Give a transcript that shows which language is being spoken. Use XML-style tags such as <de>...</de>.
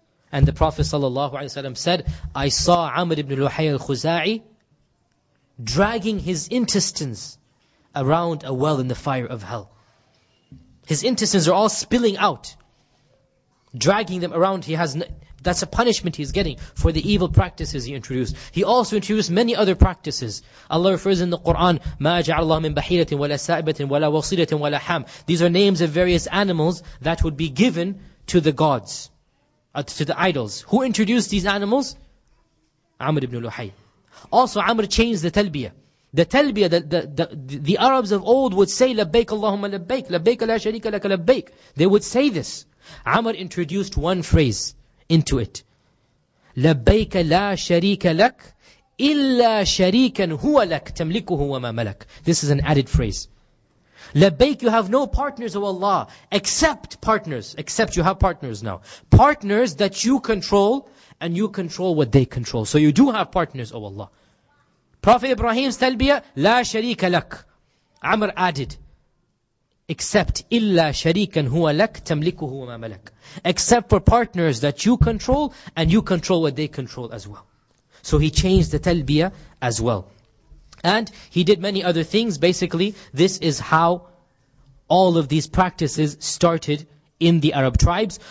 <en>And the Prophet ﷺ said, I saw Amr ibn Luhay al-Khuza'i dragging his intestines around a well in the fire of hell. His intestines are all spilling out, dragging them around. That's a punishment he's getting for the evil practices he introduced. He also introduced many other practices. Allah refers in the Quran,</en> <ar>مَا جَعَلَ اللَّهُ مِنْ بَحِيرَةٍ وَلَا سَائِبَةٍ وَلَا وَصِيلَةٍ وَلَا حَامٍ.</ar> <en>These are names of various animals that would be given to the gods, to the idols. Who introduced these animals? Amr ibn Luhay. Also, Amr changed the talbiyah. The talbiyah, the Arabs of old would say,</en> <ar>لَبَّيْكَ اللَّهُمَّ لَبَّيْكَ لَبَّيْكَ لَا شَرِيكَ لَكَ لَبَّيْكَ.</ar> <en>They would say this. Amr introduced one phrase into it.</en> <ar>لَبَّيْكَ لَا شَرِيكَ لَكَ إِلَّا شَرِيكًا هُوَ لَكَ تَمْلِكُهُ وَمَا مَلَكَ.</ar> <en>This is an added phrase. لَبَّيْكَ, you have no partners, O Allah, except partners. Except you have partners now. Partners that you control, and you control what they control. So you do have partners, O Allah. Prophet Ibrahim's talbiyah,</en> <ar>لا شريك لك.</ar> <en>Amr added, except</en> <ar>إلا شريكا هو لك تملكه وما ملك.</ar> <en>Except for partners that you control, and you control what they control as well. So he changed the talbiyah as well. And he did many other things. Basically, this is how all of these practices started in the Arab tribes.</en>